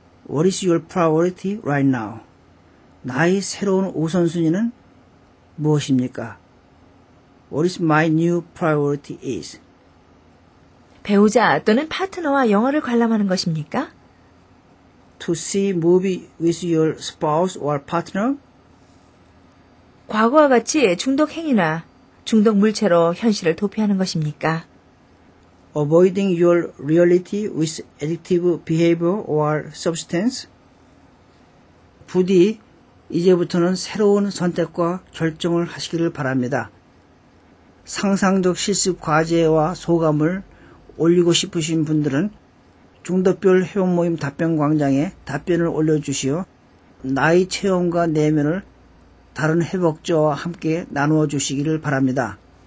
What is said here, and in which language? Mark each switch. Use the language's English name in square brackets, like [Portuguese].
[English] What is your priority right now? [Korean] 나의 새로운 우선순위는 무엇입니까? [English] What is my new priority is? [Korean] 배우자 또는 파트너와 영화를 관람하는 것입니까? [English] To see movie with your spouse or partner? [Korean] 과거와 같이 중독 행위나 중독 물체로 현실을 도피하는 것입니까? [English] Avoiding your reality with addictive behavior or substance? [Korean] 부디 이제부터는 새로운 선택과 결정을 하시기를 바랍니다. 상상적 실습 과제와 소감을 올리고 싶으신 분들은 중독별 회원모임 답변광장에 답변을 올려주시어 나의 체험과 내면을 다른 회복자와 함께 나누어 주시기를 바랍니다.